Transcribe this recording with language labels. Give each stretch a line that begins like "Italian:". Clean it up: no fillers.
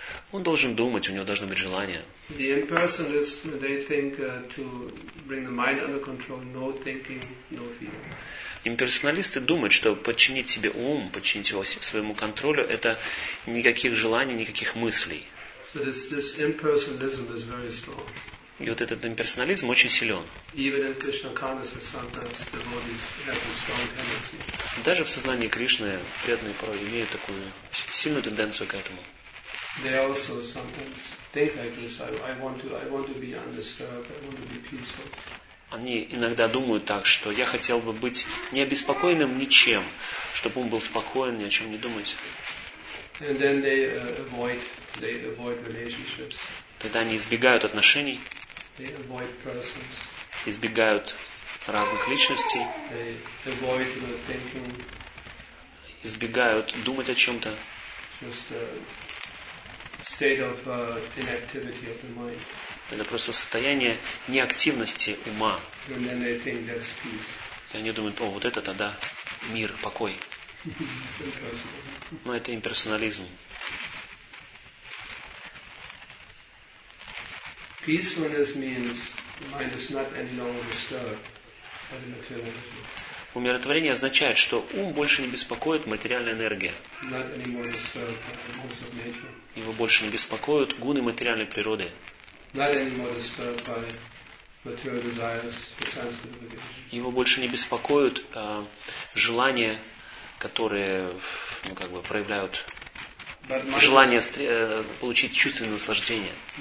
Russian: Он должен думать, у него должно быть желание. Имперсоналисты думают, что подчинить себе ум, подчинить его своему контролю, это никаких желаний, никаких мыслей.
English: So this impersonalism is very strong.
Russian: И вот этот имперсонализм очень силен.
English: Even in Krishna consciousness, sometimes the devotees have this strong tendency.
Russian: Даже в сознании Кришны преданные порой имеют такую сильную тенденцию к этому.
English: They also sometimes think like this. I want to be undisturbed. I want to be peaceful.
Russian: Они иногда думают так, что я хотел бы быть не обеспокоенным ничем, чтобы ум был спокоен, ни о чем не думать.
English: And then they avoid relationships.
Russian: Тогда они избегают отношений.
English: They avoid persons.
Russian: Избегают разных личностей.
English: They avoid thinking.
Russian: Избегают думать о чем-то.
English: Just a state of inactivity of the mind.
Russian: Это просто состояние неактивности ума.
English: And then they think that's peace.
Russian: И они думают, о, вот это тогда мир, покой. Но это имперсонализм.
English: Peacefulness means mind is not any longer disturbed by the material energy.
Russian: Умиротворение означает, что ум больше не беспокоит материальная энергия.
English: Not any more disturbed by the laws of nature.
Russian: Его больше не беспокоят гуны материальной природы.
English: Not any more disturbed by material desires, the sense of the.
Russian: Его больше не беспокоят желания, которые, ну, как бы, проявляют желание получить чувственное наслаждение.